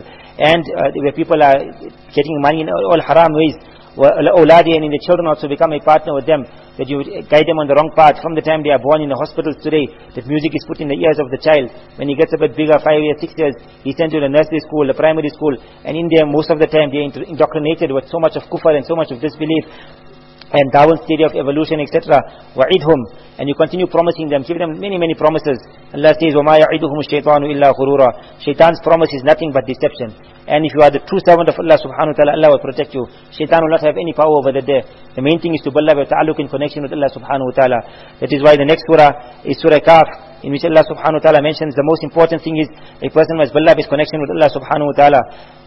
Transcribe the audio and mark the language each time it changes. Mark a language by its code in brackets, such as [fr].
[en] And where people are getting money in all haram ways, Auladi, and in the children also become a partner with them, that you guide them on the wrong path from the time they are born in the hospitals today, that music is put in the ears of the child. When he gets a bit bigger, 5 years, 6 years, he's sent to the nursery school, the primary school, and in there most of the time they are indoctrinated with so much of kufr and so much of disbelief, and Darwin's theory of evolution, etc. Wa'idhum. And you continue promising them, giving them many, many promises. Allah says, [ar] وَمَا يَعِدُهُمُ الشَّيْطَانُ إِلَّا غُرُورًا. [en] Shaitan's promise is nothing but deception. And if you are the true servant of Allah subhanahu wa ta'ala, Allah will protect you. Shaitan will not have any power over the day. The main thing is to build up your ta'aluk in connection with Allah subhanahu wa ta'ala. That is why the next surah is Surah Kaf, in which Allah subhanahu wa ta'ala mentions the most important thing is a person must build up his connection with Allah subhanahu wa ta'ala.